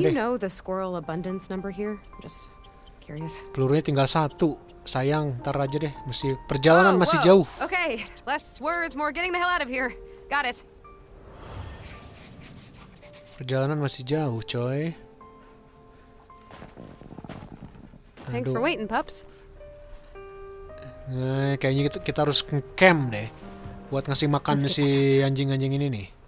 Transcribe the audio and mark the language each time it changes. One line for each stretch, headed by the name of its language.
English: Do you know the squirrel abundance number here? Just curious.
Indonesian: Pelurunya tinggal satu. Sayang, ntar aja deh. Mesti perjalanan masih jauh.
English: Okay, less words, more getting the hell out of here. Got it.
Indonesian: Perjalanan masih jauh, coy.
English: Thanks for waiting, pups.
Indonesian: Kayaknya kita harus camp deh, buat ngasih makan si anjing-anjing ini nih.